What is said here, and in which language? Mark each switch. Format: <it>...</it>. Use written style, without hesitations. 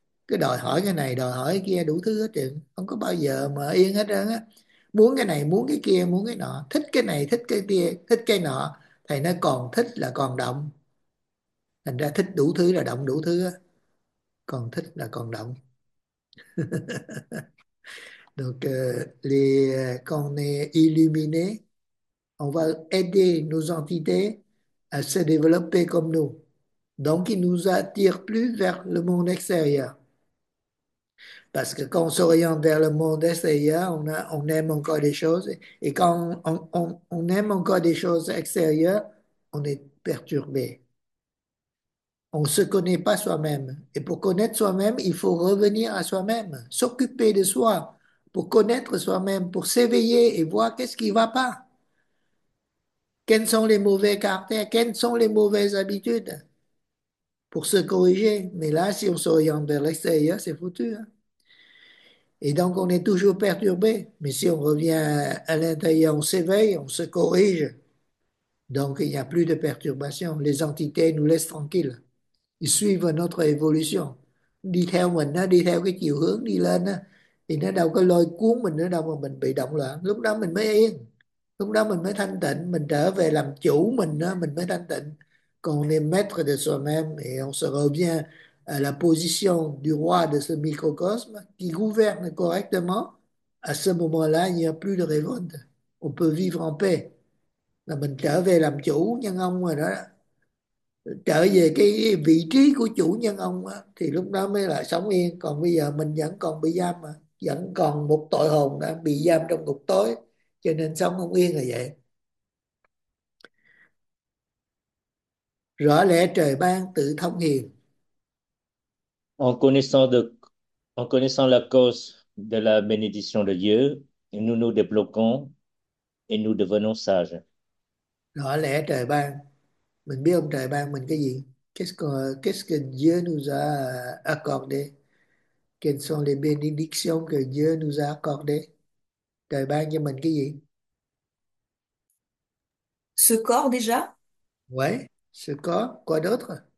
<vi>Cứ đòi hỏi cái này, đòi hỏi cái kia, đủ thứ hết trơn, không có bao giờ mà yên hết trơn á. Muốn cái này, muốn cái kia, muốn cái nọ, thích cái này, thích cái kia, thích cái nọ, thì nó còn thích là còn động. Thành ra thích đủ thứ là động đủ thứ á, còn thích là còn động. Được,</vi> <fr>les con est illuminé, on va aider nos entités à se développer comme nous, donc ils nous attirent plus vers le monde extérieur. Parce que quand on s'oriente vers le monde extérieur, on aime encore des choses. Et quand on aime encore des choses extérieures, on est perturbé. On ne se connaît pas soi-même. Et pour connaître soi-même, il faut revenir à soi-même, s'occuper de soi, pour connaître soi-même, pour s'éveiller et voir qu'est-ce qui ne va pas. Quels sont les mauvais caractères, quelles sont les mauvaises habitudes pour se corriger. Mais là, si on s'oriente vers l'extérieur, c'est foutu, hein. Et donc, on est toujours perturbé. Mais si on revient à l'intérieur, on s'éveille, on se corrige. Donc, il n'y a plus de perturbation. Les entités nous laissent tranquilles. Ils suivent notre évolution.</fr> <vi>Đi theo mình, đi theo cái chiều hướng đi lên, thì nó đâu có lôi cuốn mình nữa đâu mà mình bị động loạn. Lúc đó mình mới yên. Lúc đó mình mới thanh tịnh. Mình trở về làm chủ mình mới thanh tịnh. Còn</vi> <fr>on est maître de soi-même et on se revient à la position du roi de ce microcosme qui gouverne correctement, à ce moment-là, il n'y a plus de révolte. On peut vivre en paix.</fr> <vi>Là mình trở về làm chủ nhân ông rồi đó. Trở về cái vị trí của chủ nhân ông đó, thì lúc đó mới là sống yên. Còn bây giờ mình vẫn còn bị giam, mà vẫn còn một tội hồn đã bị giam trong ngục tối, cho nên sống không yên là vậy. Rõ lẽ trời ban tự thông hiền.</vi> <fr>En connaissant la cause de la bénédiction de Dieu, nous nous débloquons et nous devenons sages.</fr> <vi>Rõ lẽ trời ban, mình biết ông trời ban mình cái gì.</vi> <fr>Qu'est-ce que Dieu nous a accordé? Quelles sont les bénédictions que Dieu nous a accordées?</fr> <vi>Trời ban cho mình cái gì?</vi> <fr>Ce corps déjà? Ouais, ce corps, quoi d'autre?</fr>